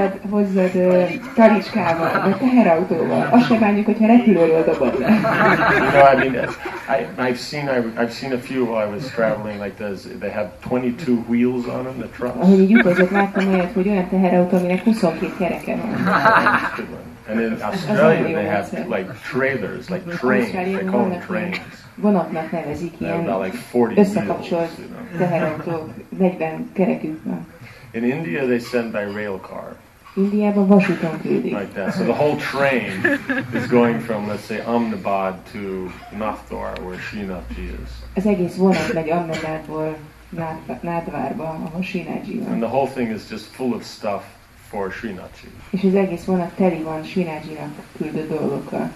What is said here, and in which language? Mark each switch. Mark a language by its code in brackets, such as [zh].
[hu] Hozzad taricskával, vagy teherautóval. Azt se bánjuk, hogyha repülőről dobod le. [en] You know, I mean, I've seen a few while I was traveling, like those, they have 22 wheels on them, the trucks. [hu] Ahogy így utazott, láttam olyat, hogy olyan teherautó, aminek 22 kereke van. [en] And in Australia, they have like trailers, like trains, they call them trains. [hu] Vonatnak nevezik ilyen összekapcsolt teherautók, 40 kerekük van. [en] In India, they send by rail car. [hu] Indiában vasúton küldik. [en] Like that. So the whole train is going from, let's say, Ahmedabad to Nathdwar, where Srinathji is. [hu] Az egész vonat megy Ahmedabadból Nathdwarba, ahol Srinathji van. [en] And the whole thing is just full of stuff for Srinathji. [hu] És az egész vonat teli van Srinathjinak küldött dolgokkal.